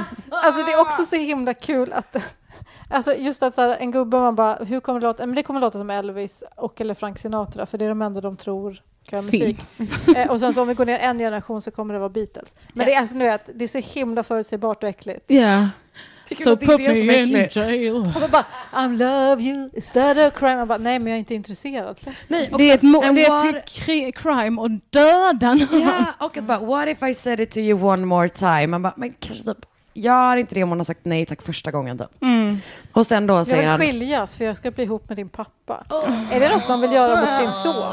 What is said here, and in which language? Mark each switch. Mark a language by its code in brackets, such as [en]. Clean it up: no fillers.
[sv] Alltså det är också så himla kul att... Alltså just att så här, en gubbe, man bara, hur kommer det låta? Men det kommer låta som Elvis och eller Frank Sinatra, för det är de enda de tror kan göra musik. Och sen så om vi går ner en generation så kommer det vara Beatles. Men yeah. Det är alltså nu att det är så himla förutsägbart och äckligt. Ja. [en] Yeah. So put me in jail. [sv] Och bara, [en] I love you, is that a crime? [sv] Jag bara, nej, men jag är inte intresserad. Nej, och det är ett crime och döda någon. Ja, och bara, [en] what if I said it to you one more time? [sv] Man bara, men kanske typ, jag är inte det om hon har sagt nej tack första gången då. Mm. Och sen då säger han, jag vill skiljas för jag ska bli ihop med din pappa. Oh. Är det något man vill göra mot sin son?